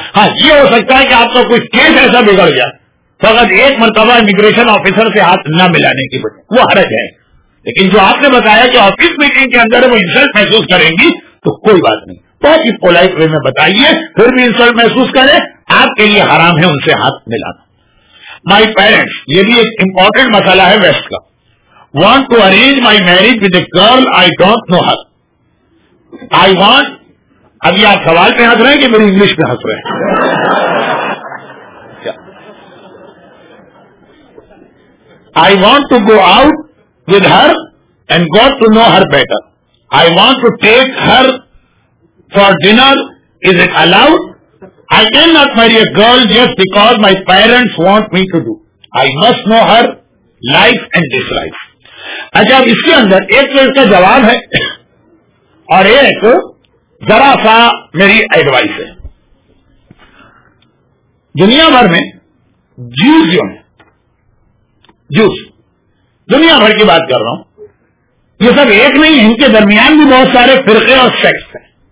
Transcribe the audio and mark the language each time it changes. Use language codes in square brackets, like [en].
[ur] ہاں یہ ہو سکتا ہے کہ آپ کا کوئی کیس ایسا بگڑ جائے, فقط ایک مرتبہ امیگریشن آفیسر سے ہاتھ نہ ملانے کی وجہ وہ حرج ہے. لیکن جو آپ نے بتایا کہ آفس میٹنگ کے اندر وہ انسلٹ محسوس کریں گی تو کوئی بات نہیں, بہت ہی پولائٹ وے میں بتائیے, پھر بھی انسلٹ محسوس کریں آپ کے لیے حرام ہے ان سے ہاتھ ملانا. [en] my parents, [ur] یہ بھی ایک امپورٹنٹ مسئلہ ہے ویسٹ کا, [en] want to arrange my marriage with a girl I don't know her. I want, [ur] ابھی آپ سوال پہ ہنس رہے ہیں [en] کہ میری انگلش پہ ہنس رہے ہیں, I want to go out with her and got to know her better. I want to take her for dinner. Is it allowed? I cannot marry a girl just because my parents want me to do. I must know her likes and dislikes. [ur] اچھا اس کے اندر ایک تو اس کا جواب ہے اور ایک ذرا سا میری ایڈوائس ہے. دنیا بھر میں جوز جو ہے, جوز دنیا بھر کی بات کر رہا ہوں, یہ سب ایک نہیں, ان کے درمیان بھی بہت سارے فرقے اور سیکٹس ہیں.